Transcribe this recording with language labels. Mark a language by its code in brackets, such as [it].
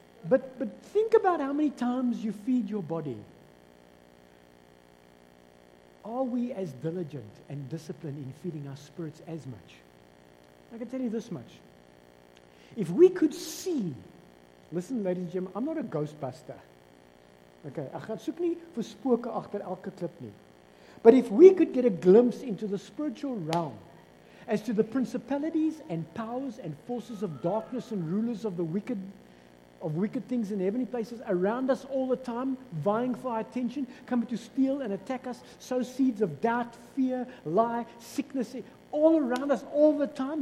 [en] But think about how many times you feed your body. Are we as diligent and disciplined in feeding our spirits as much? I can tell you this much. If we could see, listen, ladies and gentlemen, I'm not a ghostbuster. [af] Okay, ek gaan soek nie vir spooke agter elke klip nie. [en] But if we could get a glimpse into the spiritual realm, as to the principalities and powers and forces of darkness and rulers of the wicked, of wicked things in heavenly places around us all the time, vying for our attention, coming to steal and attack us, sow seeds of doubt, fear, lie, sickness, all around us all the time.